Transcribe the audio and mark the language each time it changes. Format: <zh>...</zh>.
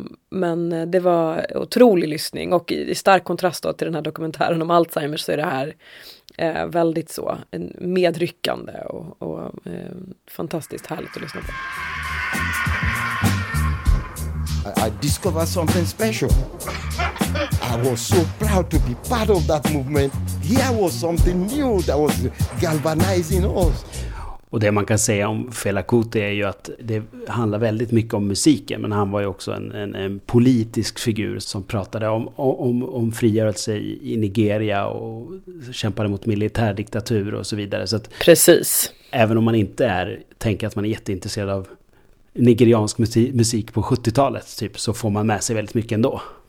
<sv>Men det var otrolig lyssning, och i stark kontrast då till den här dokumentären om Alzheimers så är det här väldigt så medryckande och fantastiskt härligt att lyssna på.</sv> <en>I discovered something special. I was so proud to be part of that movement. Here was something new that was galvanizing us.</en> <sv>Och det man kan säga om Fela Kuti är ju att det handlar väldigt mycket om musiken, men han var ju också en politisk figur som pratade om frigörelse i Nigeria och kämpade mot militärdiktatur och så vidare. Så att precis. Även om man inte är, tänker att man är jätteintresserad av nigeriansk musik på 70-talet typ, så får man med sig väldigt mycket ändå.</sv>